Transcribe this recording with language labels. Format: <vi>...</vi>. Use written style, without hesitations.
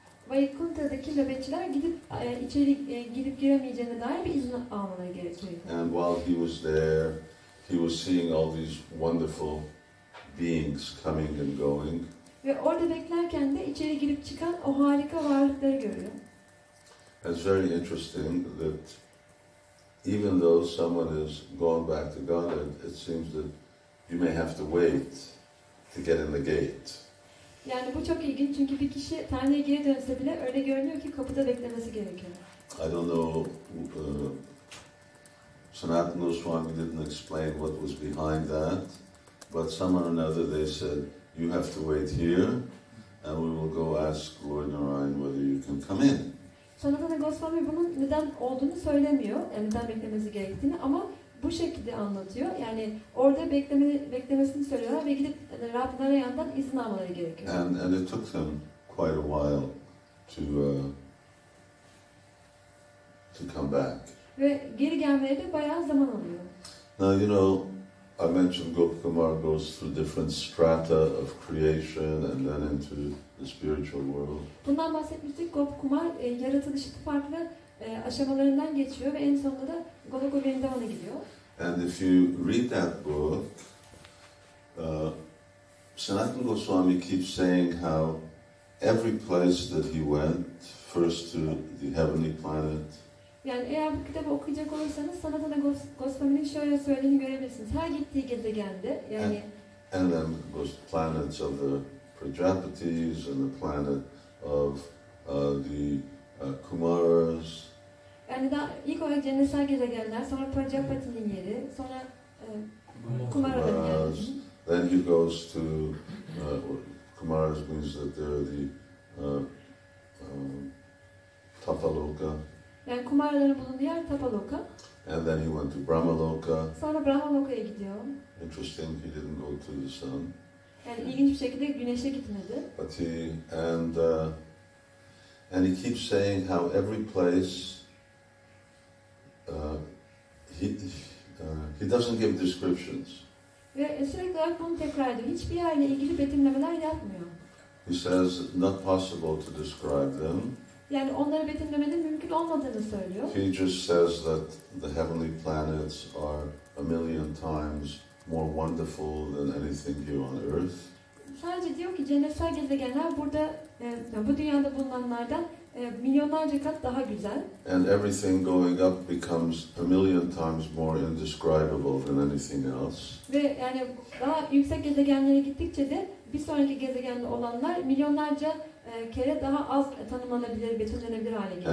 <tr>Vaikuntha'daki nöbetçiler gidip içeri gidip giremeyeceğine dair bir izin almaları gerekiyor.</tr> <en>And while he was there, he was seeing all these wonderful beings coming and going.</en> <tr>Ve orada beklerken de içeri girip çıkan o harika varlıkları görüyor.</tr> <en>It's very interesting that even though someone is going back to Godhead, it seems that you may have to wait to get in the gate.</en> <tr>Yani bu çok ilginç çünkü bir kişi Tanrı'ya geri dönse bile öyle görünüyor ki kapıda beklemesi gerekiyor.</tr> <en>I don't know, Sanatana Goswami didn't explain what was behind that, but somehow or another they said, you have to wait here and we will go ask Lord Narayana whether you can come in.</en> <tr>Sanatana Goswami bunun neden olduğunu söylemiyor, yani neden beklemesi gerektiğini ama bu şekilde anlatıyor. Yani orada beklemesini söylüyorlar ve gidip Rab Narayan'dan izin almaları gerekiyor.</tr> <en>And it took them quite a while to come back.</en> <tr>Ve geri gelmeleri de bayağı zaman alıyor.</tr> <en>Now you know, I mentioned Gopa-kumāra goes through different strata of creation and then into the spiritual world.</en> <tr>Bundan bahsetmiştik. Gopa-kumāra yaratılışı farklı aşamalarından geçiyor ve en sonunda da Goloka Vrindavan'a gidiyor.</tr> <en>And if you read that book, Sanatana Goswami keeps saying how every place that he went, first to the heavenly planet.</en> <tr>Yani eğer bu kitabı okuyacak olursanız Sanatana Goswami'nin şöyle söylediğini görebilirsiniz. Her gittiği gezegende yani.</tr> <en>And then goes the planets of the Prajapatis and the planet of the Kumaras.</en> <tr>Yani daha ilk olarak cennetsel gezegenler, sonra Prajapati'nin yeri, sonra Kumara'nın yeri.</tr> <en>Then he goes to Kumaras means that they're the Tapaloka.</en> <tr>Yani Kumaraların bulunduğu yer Tapaloka.</tr> <en>And then he went to Brahmaloka.</en> <tr>Sonra Brahmaloka'ya gidiyor.</tr> <en>Interesting, he didn't go to the sun.</en> <tr>Yani ilginç bir şekilde güneşe gitmedi.</tr> <en>But he and And he keeps saying how every place, he doesn't give descriptions.</en> <tr>Ve sürekli olarak bunu tekrar ediyor. Hiçbir yerle ilgili betimlemeler yapmıyor.</tr> <en>He says not possible to describe them.</en> <tr>Yani onları betimlemenin mümkün olmadığını söylüyor.</tr> <en>He just says that the heavenly planets are a million times more wonderful than anything here on earth.</en> <tr>Sadece diyor ki cennetsel gezegenler burada bu dünyada bulunanlardan milyonlarca kat daha güzel.</tr> <en>And everything going up becomes a million times more indescribable than anything else.</en> <tr>Ve yani daha yüksek gezegenlere gittikçe de bir sonraki gezegende olanlar milyonlarca kere daha az tanımlanabilir, betimlenebilir hale geliyor.</tr>